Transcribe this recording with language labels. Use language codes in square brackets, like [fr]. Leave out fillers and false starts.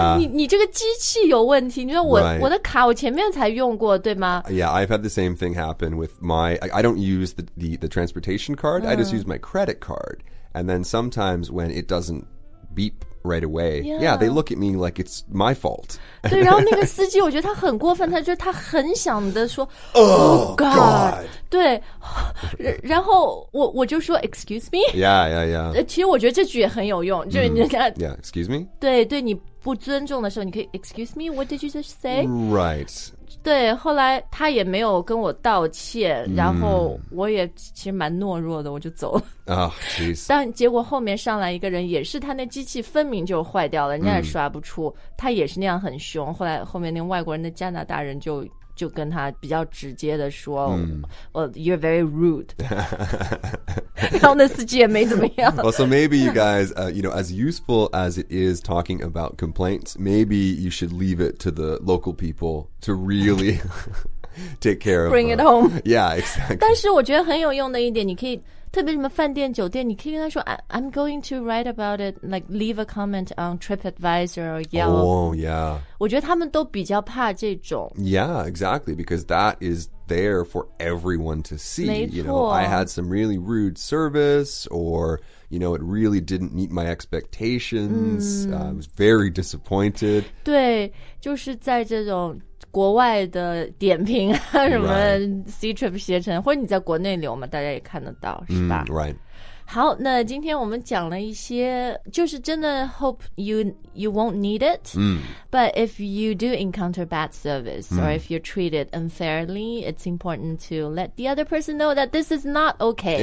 [zh] 你这个机器有问题 我的卡我前面才用过对吗 [en] Yeah, I've had the same thing happen with my I don't use the transportation card I just use my credit card And then sometimes when it doesn't beep right away Yeah, they look at me like it's my fault [zh] 对然后那个司机我觉得他很过分 他很想的说 [en] Oh God [zh] 对然后我就说 [en] Excuse me Yeah [zh] 其实我觉得这句也很有用 [en] Yeah, excuse me [zh] 对你不尊重的时候你可以 [en] Excuse me, what did you just say? Right [zh] 对后来他也没有跟我道歉 然后我也其实蛮懦弱的 我就走了 [en] Oh, jeez [zh] 但结果后面上来一个人也是他那机器分明就坏掉了 人家也刷不出 他也是那样很凶 后来后面那个外国人的加拿大人就 就跟他比较直接的说 [en] Well, you're very rude [zh] 然后那司机也没怎么样 [en] Well, so maybe you guys you know, as useful as it is talking about complaints Maybe you should leave it to the local people To really take care of Bring it home Yeah, exactly [zh] 但是我觉得很有用的一点 你可以特别什么饭店酒店 你可以跟他说 [en] I'm going to write about it Like leave a comment on TripAdvisor or Yelp Oh, yeah [zh] 我觉得他们都比较怕这种 [en] Yeah, exactly Because that is there for everyone to see [zh] 没错 [en] You know, I had some really rude service Or, you know, it really didn't meet my expectations I was very disappointed [zh] 对就是在这种 国外的点评啊什么C-trip携程 或者你在国内留嘛 大家也看得到是吧 [en] Right [zh] 好那今天我们讲了一些 就是真的 [en] hope you won't need it But if you do encounter bad service Or if you're treated unfairly It's important to let the other person know That this is not okay